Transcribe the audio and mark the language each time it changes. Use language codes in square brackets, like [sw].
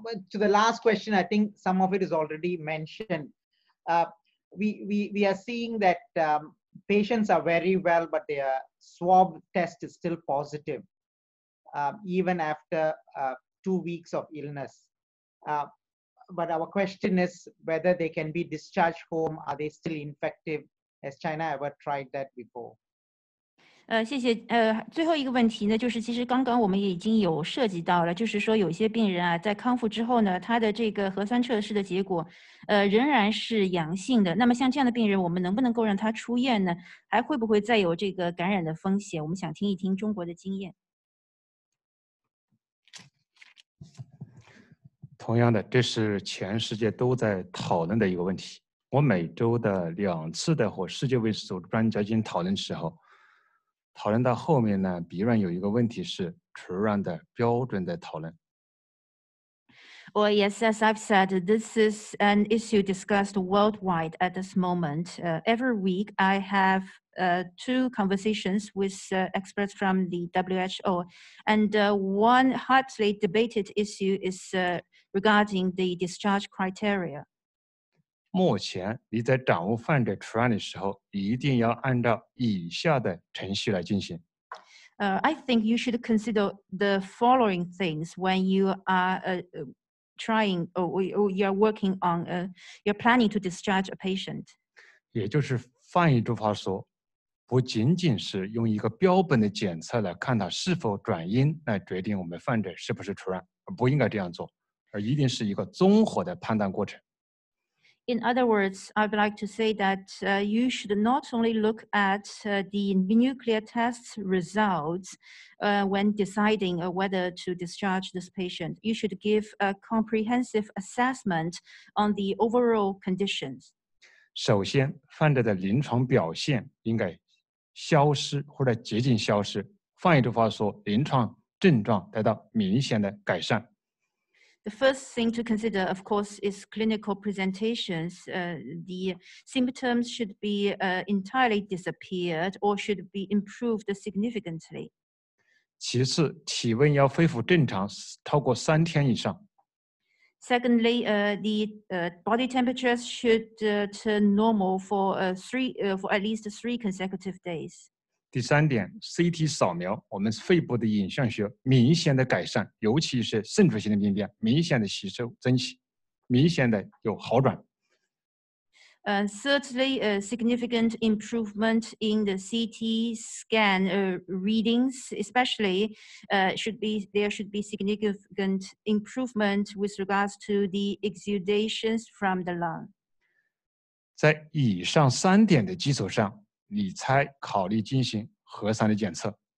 [en] To the last question, I think some of it is already mentioned. We are seeing that patients are very well, but their swab test is still positive, even after 2 weeks of illness. But our question is whether they can be discharged home, are they still infective? Has China ever tried that before? [zh] 谢谢。最后一个问题呢，就是其实刚刚我们也已经有涉及到了，就是说有些病人啊，在康复之后呢，他的这个核酸测试的结果，仍然是阳性的。那么像这样的病人，我们能不能够让他出院呢？还会不会再有这个感染的风险？我们想听一听中国的经验。同样的，这是全世界都在讨论的一个问题。我每周的两次的和世界卫生组织专家进行讨论的时候。讨论到后面呢，鼻软有一个问题是出院的标准的讨论。 [en] Well, yes, as I've said, this is an issue discussed worldwide at this moment. Every week, I have two conversations with experts from the WHO, and one hotly debated issue is regarding the discharge criteria. [zh] 目前你在掌握患者出院的时候，一定要按照以下的程序来进行。 [en] I think you should consider the following things when you are trying or you are working on you're planning to discharge a patient. [zh] 也就是换一句话说，不仅仅是用一个标本的检测来看他是否转阴来决定我们患者是不是出院，而不应该这样做，而一定是一个综合的判断过程。 [en] In other words, I would like to say that you should not only look at the nuclear test results when deciding whether to discharge this patient. You should give a comprehensive assessment on the overall conditions. [zh] 首先，患者的临床表现应该消失或者接近消失。换一句话说，临床症状得到明显的改善。 [en] The first thing to consider, of course, is clinical presentations. The symptoms should be entirely disappeared or should be improved significantly. [zh] 其次，体温要恢复正常，超过三天以上。 [en] Secondly, the body temperatures should turn normal for at least three consecutive days. [zh] 第三点 ，CT 扫描，我们肺部的影像学明显的改善，尤其是渗出性的病变，明显的吸收增细，明显的有好转。 [en] Certainly, a significant improvement in the CT scan readings, especially there should be significant improvement with regards to the exudations from the lung. [zh] 在以上三点的基础上，你才考虑进行核酸的检测。